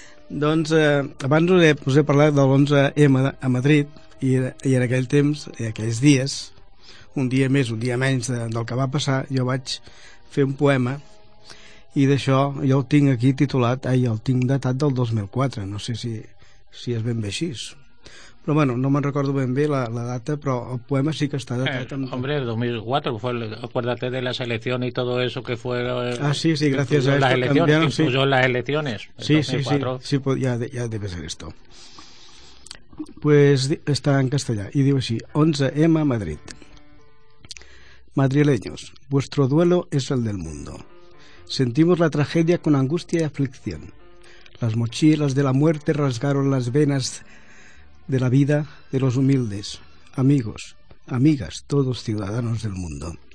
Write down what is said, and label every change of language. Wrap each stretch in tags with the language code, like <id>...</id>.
<ca>Doncs abans us he parlat de l'11M a Madrid, i en aquell temps, en aquells dies, un dia més, un dia menys del que va passar, jo vaig fer un poema, i d'això jo el tinc aquí titulat, el tinc datat del 2004, no sé si és ben bé així. Però bueno, no me'n recordo ben bé la data, però el poema sí que està datat. Amb...</ca> <es>Hombre, el 2004, acuérdate de la selección y todo eso que fue... Sí, gracias a las elecciones. Incluso las elecciones. Sí, sí, sí, sí, pues, ja debe ser esto. Pues está en castellà y</es> <ca>diu així:</ca> <es>11M Madrid. Madrileños, vuestro duelo es el del mundo. Sentimos la tragedia con angustia y aflicción. Las mochilas de la muerte rasgaron las venas de la vida de los humildes. Amigos, amigas, todos ciudadanos del mundo.</es>